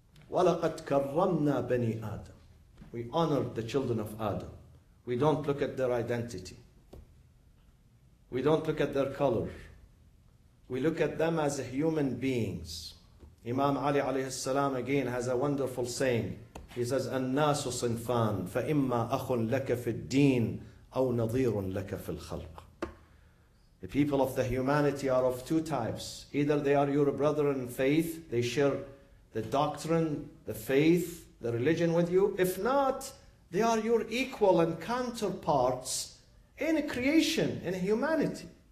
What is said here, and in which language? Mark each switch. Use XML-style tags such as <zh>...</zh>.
<ar>وَلَقَدْ كَرَّمْنَا بَنِي آدَمْ.</ar> <en>We honor the children of Adam. We don't look at their identity. We don't look at their color. We look at them as human beings. Imam Ali</en> <ar>عليه السلام</ar> <en>again has a wonderful saying. He says,</en> <ar>النَّاسُ صِنْفَانْ فَإِمَّا أَخٌ لَكَ فِي الدِّينِ أَوْ نَظِيرٌ لَكَ فِي الْخَلْقِ.</ar> <en>The people of the humanity are of two types. Either they are your brother in faith, they share the doctrine, the faith, the religion with you. If not, they are your equal and counterparts in creation, in humanity.</en>